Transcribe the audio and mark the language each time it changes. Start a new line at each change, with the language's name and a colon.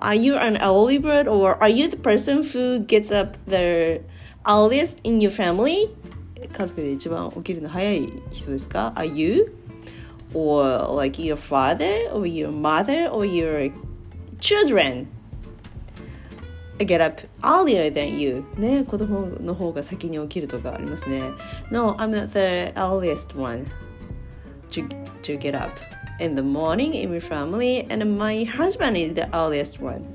English: Are you an early bird or are you the person who gets up the earliest in your family?
Japanese: 家族で一番起きるの早い人ですか?
English: Are you? Or like your father or your mother or your children get up earlier than you?
Japanese: ね、子供の方が先に起きるとかありますね。
English: No, I'm not the earliest oneto get up in the morning in my family, and my husband is the earliest one.